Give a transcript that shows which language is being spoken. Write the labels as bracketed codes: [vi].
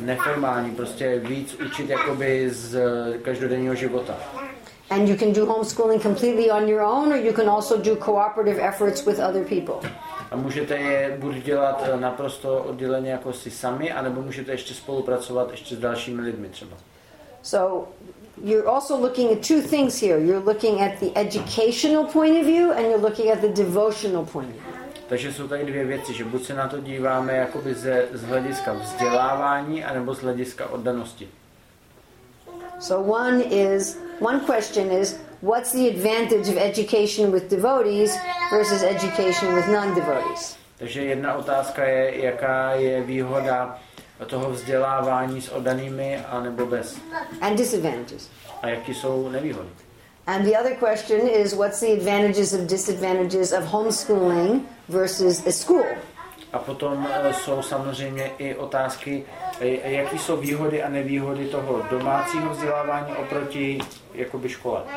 [cs] Neformální, prostě víc učit jakoby z každodenního života. [en] And you can do homeschooling completely on your own, or you can also do cooperative efforts with other people. [cs] A můžete je buď dělat naprosto odděleně jako si sami, anebo můžete ještě spolupracovat ještě s dalšími lidmi třeba. [en] So you're also looking at two things here. You're looking at the educational point of view and you're looking at the devotional point of view. [cs] Takže jsou tady dvě věci, že buď se na to díváme jakoby z hlediska vzdělávání, anebo z hlediska oddanosti. [en] So one question is what's the advantage of education with devotees versus education with non-devotees? [cs] Takže jedna otázka je, jaká je výhoda toho vzdělávání s oddanými anebo bez. [en] And disadvantages. [cs] A jaké jsou nevýhody? [en] And the other question is what's the advantages and disadvantages of homeschooling versus a school? [cs] A potom jsou samozřejmě i otázky, jaký jsou výhody a nevýhody toho domácího vzdělávání oproti jakoby škole.